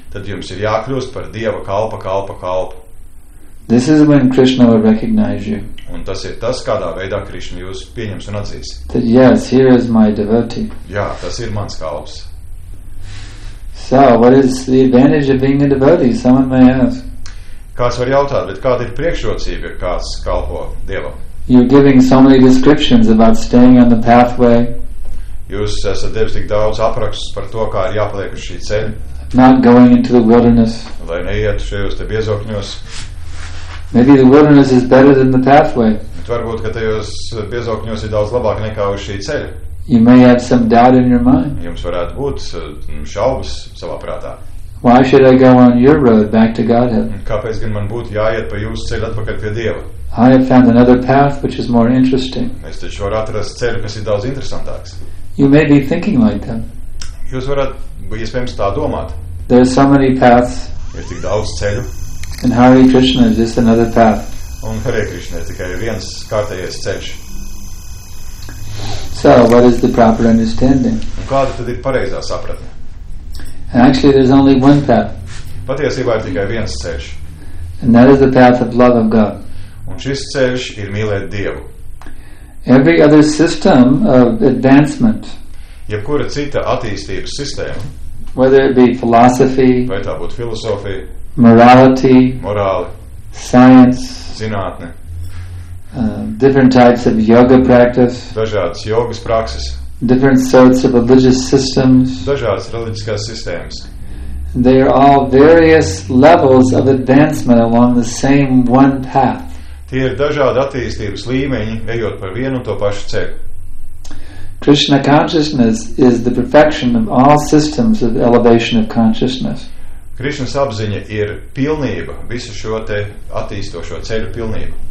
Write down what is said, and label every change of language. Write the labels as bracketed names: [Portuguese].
[Latvian] Tad jums ir jākļūst par Dieva kalpa, kalpa, kalpa. [English] This is when Krishna will recognize you. [Latvian] Un tas ir tas, kādā veidā Krishna jūs pieņems un atzīs. [English] That yes, here is my devotee. [Latvian] Jā, tas ir mans kalps. [English] So, what is the advantage of being a devotee? Someone may ask. [Latvian] Kāds var jautāt, bet kāda ir priekšrocība, kāds kalpo Dievam? [English] You're giving so many descriptions about staying on the pathway. [Latvian] Jūs esat devis tik daudz aprakstus par to, kā ir jāpaliek uz šī ceļa. [English] Not going into the wilderness. [Latvian] Lai neiet šajos te biezokņos. [English] Maybe the wilderness is better than the pathway. [Latvian] Bet varbūt, ka tajos biezokņos ir daudz labāk nekā uz šī ceļa. [English] You may have some doubt in your mind. [Latvian] Jums varētu būt šaubas savā prātā. [English] Why should I go on your road back to Godhead? [Latvian] Kāpēc gan man būtu jāiet pa jūsu ceļu atpakaļ pie Dieva? [English] I have found another path which is more interesting. [Latvian] Es taču varu atrast ceļu, kas ir daudz interesantāks. [English] You may be thinking like that. [Latvian] Jūs varat, iespējams, tā domāt. [English] There are so many paths. [Latvian] Ir tik daudz ceļu. [English] And Hare Krishna is just another path. [Latvian] Un Hare Krishna ir tikai viens kārtējais ceļš. [English] So, what is the proper understanding? [Latvian] Un kāda tad ir pareizā sapratne? [English] Actually, there is only one path. [Latvian] Patiesībā ir tikai viens ceļš. [English] And that is the path of love of God. [Latvian] Un šis ceļš ir mīlēt Dievu. [English] Every other system of advancement, [Latvian] jebkura cita attīstības sistēma, [English] whether it be philosophy, [Latvian] vai tā būtu filosofija, [English] morality, [Latvian] morāli, [English] science, [Latvian] zinātne, [English] different types of yoga practice, [Latvian] dažādas jogas prakses, [English] different sorts of religious systems, [Latvian] dažādas reliģiskās sistēmas, [English] they are all various levels of advancement along the same one path. [Latvian] Tie ir dažādi attīstības līmeņi, ejot par vienu un to pašu ceļu. [English] Krishna consciousness is the perfection of all systems of elevation of consciousness. [Latvian] Krishna apziņa ir pilnība, visu šo te attīstošo ceļu pilnība.